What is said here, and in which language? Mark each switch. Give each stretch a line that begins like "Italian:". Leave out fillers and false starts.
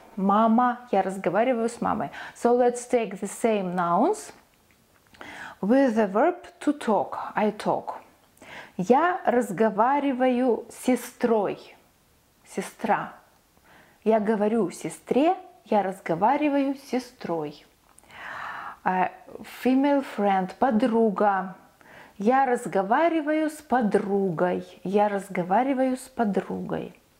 Russian: Мама, я разговариваю с мамой.
English: So let's take the same nouns with the verb to talk. I talk.
Russian: Я разговариваю с сестрой. Сестра. Я говорю сестре. Я разговариваю с сестрой.
English: Female friend.
Russian: Подруга. Я разговариваю с подругой. Я разговариваю с подругой.